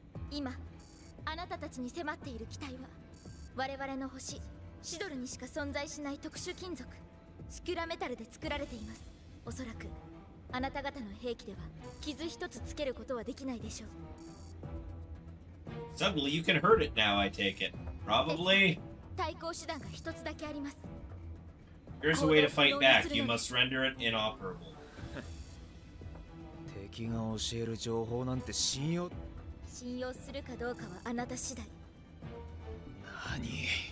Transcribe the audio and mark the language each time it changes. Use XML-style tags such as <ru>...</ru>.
<ja>今あなたたちに迫っている機体は我々の星シドルにしか存在しない特殊金属スキュラメタルで作られています。おそらくあなた方の兵器では傷一つつけることはできないでしょう。</ja> <en>Suddenly you can hurt it now, I take it. Probably.</en> <ja>対抗手段が一つだけあります。</ja> <en>Here's a way to fight back. You must render it inoperable.</en> <ja>敵が教える情報なんて信用、信用するかどうかはあなた次第。何？</ja>